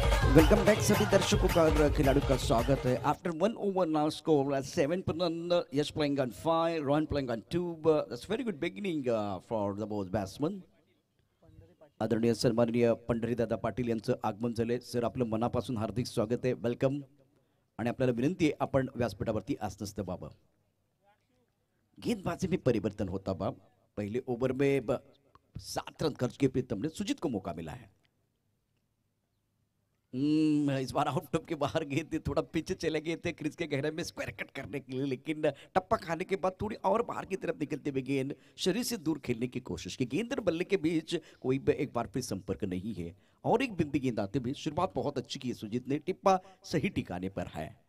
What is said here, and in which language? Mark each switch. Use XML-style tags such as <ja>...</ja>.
<en>welcome back</en> <hi>सभी दर्शकों का, खिलाड़ियों का स्वागत है।</hi> <en>After one over now score seven पर run, Yash playing on five, Rohan playing on two, that's very good beginning for the both batsman.</en> <mr>आदरणीय सन्माननीय पंढरी दादा पाटील यांचं आगमन झाले, सर आपलं मनापासून हार्दिक स्वागत आहे, वेलकम, आणि आपल्याला विनंती आहे आपण व्यासपीठावरती आसनस्थ बाबा।</mr> <hi>गेंदबाजी में परिवर्तन होता बाब, पहले ओवर में सात रन खर्च के प्रीतम ने सुजीत को मौका मिला है, इस बार आउट के बाहर गए थे, थोड़ा पीछे चले गए थे क्रिज के गहरे में स्क्वायर कट करने के लिए, लेकिन टप्पा खाने के बाद थोड़ी और बाहर की तरफ निकलते हुए गेंद शरीर से दूर खेलने की कोशिश की, गेंद और बल्ले के बीच कोई एक बार फिर संपर्क नहीं है और एक बिंदी गेंद आते हुए शुरुआत बहुत अच्छी की है सुजीत ने, टिप्पा सही ठिकाने पर है,</hi>